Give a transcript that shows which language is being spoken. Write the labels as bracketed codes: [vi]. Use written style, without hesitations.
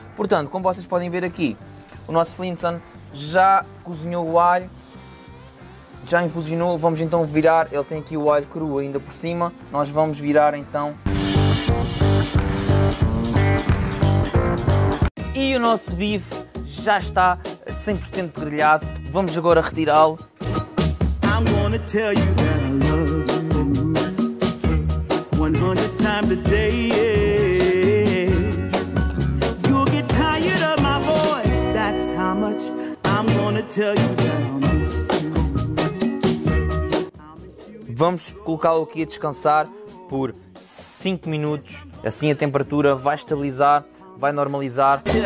[pt] Portanto, como vocês podem ver aqui, o nosso Flintstone já cozinhou o alho, já infusionou, vamos então virar, ele tem aqui o alho cru ainda por cima, nós vamos virar então. E o nosso bife já está 100% grelhado, vamos agora retirá-lo. [en] I'm gonna tell you that I love you. 100 times a day, yeah. You'll get tired of my voice, that's how much I'm gonna tell you that I'll miss you. [pt] Vamos colocá-lo aqui a descansar por 5 minutos, assim a temperatura vai estabilizar, vai normalizar.